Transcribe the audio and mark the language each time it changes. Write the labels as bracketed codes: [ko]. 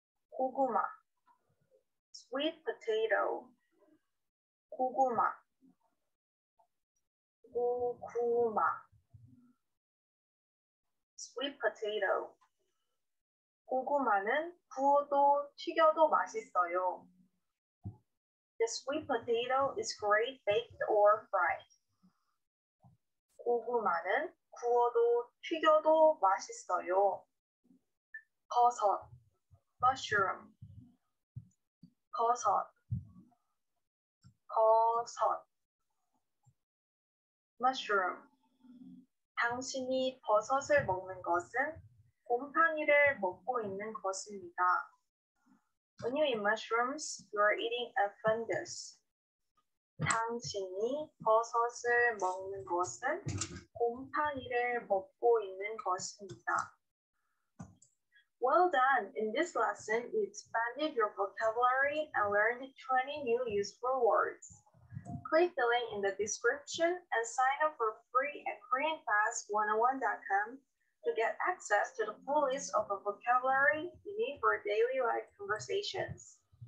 [ko] 고구마. Sweet potato. 고구마. 고구마. [en] Sweet potato. [ko] 고구마는 구워도 튀겨도 맛있어요. [en] The sweet potato is great baked or fried. [ko] 고구마는 구워도 튀겨도 맛있어요. 버섯. Mushroom. 버섯. 버섯. [en] Mushroom. [ko] 당신이 버섯을 먹는 것은 곰팡이를 먹고 있는 것입니다. [en] When you eat mushrooms, you are eating a fungus. [ko] 당신이 버섯을 먹는 것은 곰팡이를 먹고 있는 것입니다. [en] Well done! In this lesson, you expanded your vocabulary and learned 20 new useful words. Click the link in the description and sign up for free at KoreanClass101.com to get access to the full list of the vocabulary you need for daily life conversations.